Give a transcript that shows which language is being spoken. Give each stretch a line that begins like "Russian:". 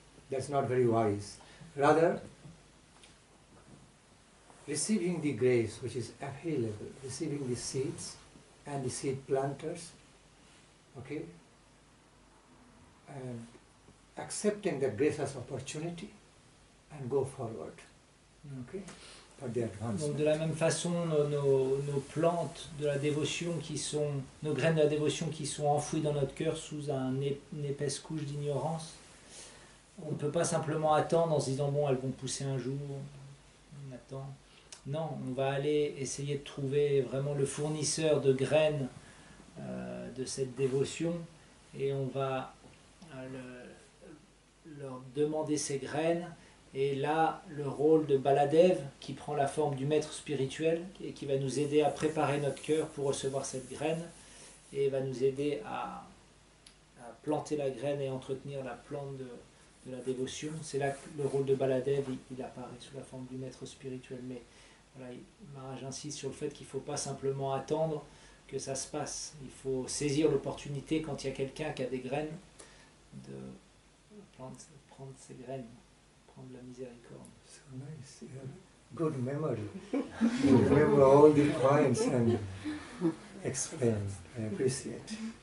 English: That's not very wise. Rather, receiving the grace which is available, receiving the seeds and the seed planters, okay, and accepting the grace as opportunity and go forward, okay, for the advancement.
French: Donc de la même façon, nos plantes de la dévotion qui sont, nos graines de la dévotion qui sont enfouies dans notre cœur sous une épaisse couche d'ignorance, on ne peut pas simplement attendre en se disant « bon, elles vont pousser un jour, on attend ». Non, on va aller essayer de trouver vraiment le fournisseur de graines de cette dévotion et on va leur demander ces graines. Et là, le rôle de Baladev, qui prend la forme du maître spirituel et qui va nous aider à préparer notre cœur pour recevoir cette graine et va nous aider à planter la graine et entretenir la plante de la dévotion, c'est là que le rôle de Baladev il apparaît sous la forme du maître spirituel. Mais voilà, Maharaj insiste sur le fait qu'il ne faut pas simplement attendre que ça se passe, il faut saisir l'opportunité quand il y a quelqu'un qui a des graines de prendre ses graines, prendre la miséricorde.
English: So nice, yeah. Good memory. You remember all the points and explain. I appreciate.